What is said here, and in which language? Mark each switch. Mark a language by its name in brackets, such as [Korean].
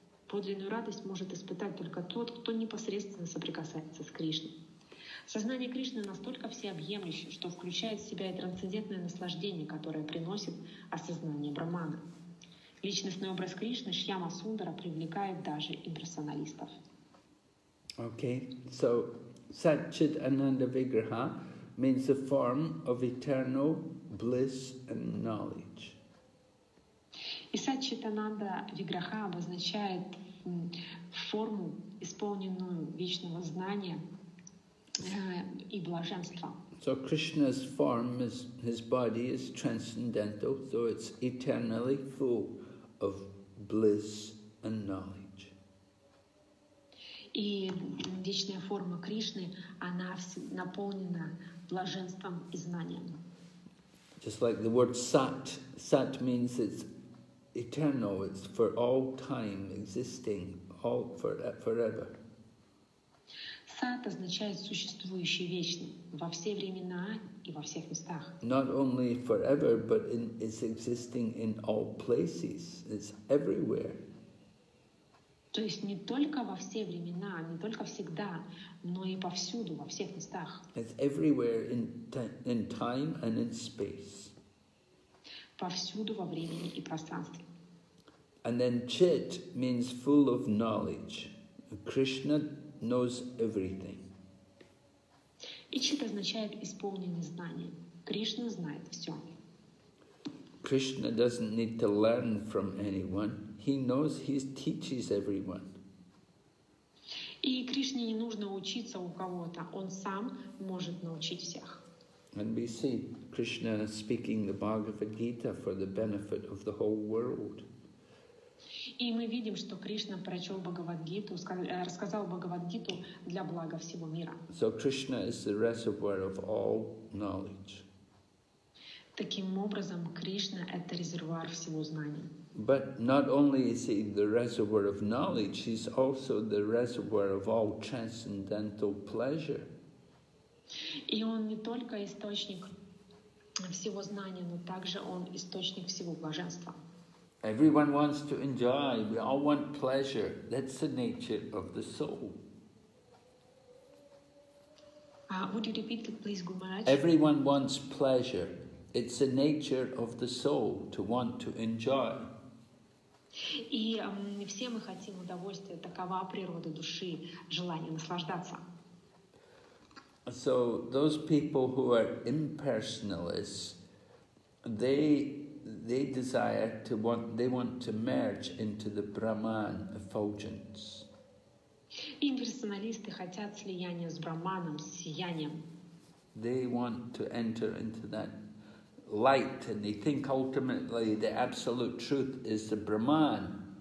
[Russian] Подлинную радость может испытать только тот, кто непосредственно соприкасается с Кришной. Сознание Кришны настолько всеобъемлюще, что включает в себя и трансцендентное наслаждение, которое приносит осознание Брахмана. Личностный образ Кришны Шьяма Сундара привлекает даже имперсоналистов. [English] Okay, so Satchit Ananda Vigraha means the form of eternal bliss and knowledge. [Russian] И Satchit Ananda Vigraha обозначает форму, исполненную вечного знания и блаженства. [English] So Krishna's form is his body is transcendental, so it's eternally full of bliss and knowledge. [Russian] И вечная форма Кришны, она наполнена блаженством и знанием. [English] Just like the word sat, sat means it's eternal, it's for all time existing, all forever. [Russian] Сат означает существующий вечно во все времена и во всех местах. [English] Not only forever, but in, it's existing in all places. It's everywhere. [Russian] То есть не только во все времена, не только всегда, но и повсюду, во всех местах. [English] It's everywhere in time and in space. [Russian] Повсюду во времени и пространстве. [English] And then chit means full of knowledge. Krishna knows everything. [Russian] И чит означает исполненный знанием. Кришна знает все. [English] Krishna doesn't need to learn from anyone. He knows, he teaches everyone. [Russian] И Кришне не нужно учиться у кого-то. Он сам может научить всех. [English] And we see Krishna speaking the Bhagavad Gita for the benefit of the whole world. [Russian] И мы видим, что Кришна прочел Бхагавад-гиту, рассказал Бхагавад-гиту для блага всего мира. [English] So Krishna is the reservoir of all knowledge. [Russian] Таким образом, Кришна — это резервуар всего знания. [English] But not only is he the reservoir of knowledge, he's also the reservoir of all transcendental pleasure. [Russian] И он не только источник всего знания, но также он источник всего блаженства. [English] Everyone wants to enjoy. We all want pleasure. That's the nature of the soul. Would you repeat it, please, Guru Maharaj? Everyone wants pleasure. It's the nature of the soul to want to enjoy. [Russian] И все мы хотим удовольствия. Такова природа души, желание наслаждаться. [English] So those people who are impersonalists, they desire to want, they want to merge into the Brahman effulgence. [Russian] Имперсоналисты хотят слияния с Брахманом, с сиянием. [English] They want to enter into that light, and they think ultimately the absolute truth is the Brahman.